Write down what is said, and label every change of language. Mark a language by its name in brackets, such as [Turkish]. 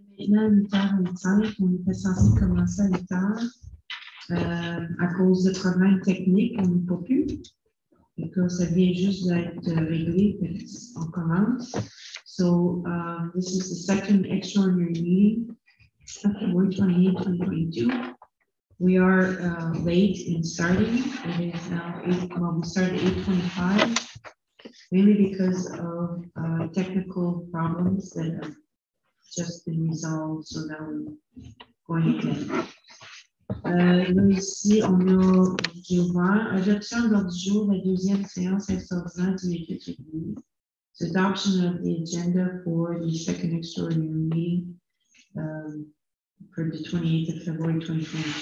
[French] Maintenant, 8h25, on était censé commencer à 8h. À cause de problèmes techniques, on n'a pas pu. Et que ça vient juste d'être réglé, on commence. [English] So, this is the second extraordinary meeting, February 28, 2022. We are late in starting. It is now 8:25, mainly because of technical problems that have just been resolved. So now we're going again. [French] Là, ici, on a Gilbert. Adoption de l'ordre du jour, la deuxième séance extraordinaire du meeting. [English] Adoption of the agenda for the second extraordinary meeting for the 28th of February 2022.